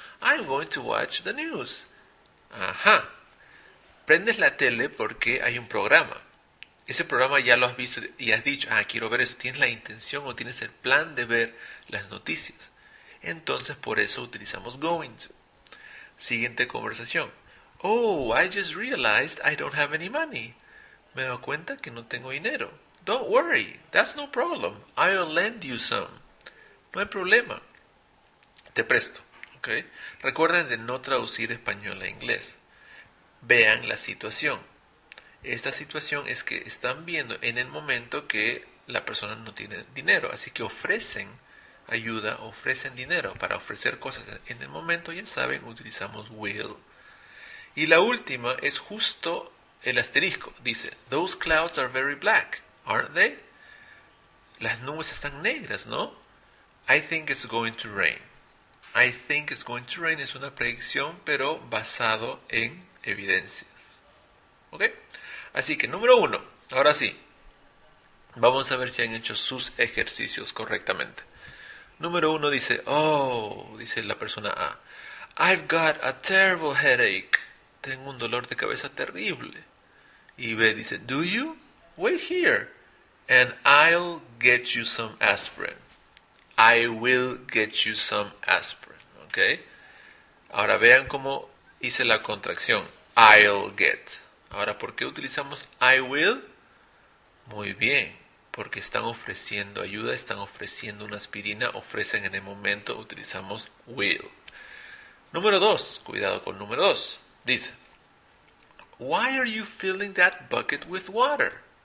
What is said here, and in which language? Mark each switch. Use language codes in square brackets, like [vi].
[en] I'm going to watch the news. [es] Ajá. Prendes la tele porque hay un programa. Ese programa ya lo has visto y has dicho, ah, quiero ver eso. ¿Tienes la intención o tienes el plan de ver las noticias? Entonces, por eso utilizamos going to. Siguiente conversación. [en] Oh, I just realized I don't have any money. [es] Me doy cuenta que no tengo dinero. [en] Don't worry, that's no problem. I'll lend you some. [es] No hay problema. Te presto. Okay. Recuerden de no traducir español a inglés. Vean la situación. Esta situación es que están viendo en el momento que la persona no tiene dinero. Así que ofrecen ayuda, ofrecen dinero. Para ofrecer cosas en el momento, ya saben, utilizamos will. Y la última es justo el asterisco. Dice, [en] those clouds are very black, aren't they? [es] Las nubes están negras, ¿no? [en] I think it's going to rain. I think it's going to rain [es] es una predicción, pero basado en evidencias. ¿Ok? Así que, número uno, ahora sí, vamos a ver si han hecho sus ejercicios correctamente. Número uno dice, oh, dice la persona A, [en] I've got a terrible headache. [es] Tengo un dolor de cabeza terrible. Y B dice, [en] do you? Wait here and I'll get you some aspirin. I will get you some aspirin. ¿Ok? [es] Ahora vean cómo hice la contracción. [en] I'll get. [es] Ahora, ¿por qué utilizamos [en] I will? [es] Muy bien, porque están ofreciendo ayuda, están ofreciendo una aspirina, ofrecen en el momento, utilizamos will. Número dos, cuidado con número dos. Dice, [en] Why are you filling that bucket with water?